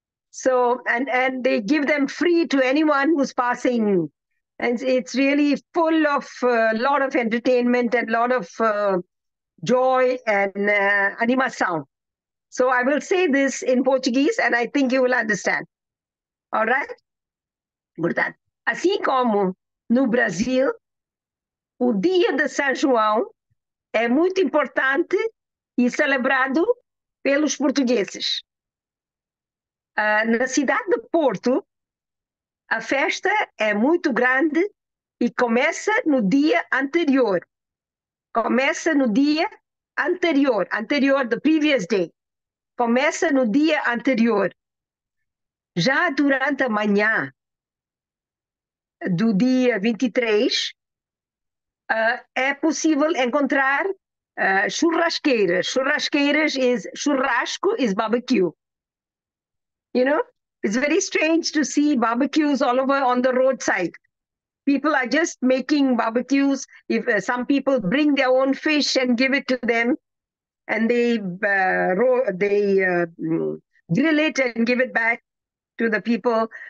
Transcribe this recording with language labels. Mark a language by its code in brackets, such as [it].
[en] So, and they give them free to anyone who's passing. And it's really full of a lot of entertainment and a lot of joy and animação. So I will say this in Portuguese and I think you will understand. All right? [pt] Portanto, assim como no Brasil, o dia de São João é muito importante e celebrado pelos portugueses. Na cidade de Porto, a festa é muito grande e começa no dia anterior. Começa no dia anterior, anterior, [en] the previous day. [pt] Começa no dia anterior. Já durante a manhã do dia 23, é possível encontrar churrasqueiras. [en] Churrasqueiras is churrasco is barbecue. You know, it's very strange to see barbecues all over on the roadside. People are just making barbecues. If some people bring their own fish and give it to them, and they grill it and give it back to the people.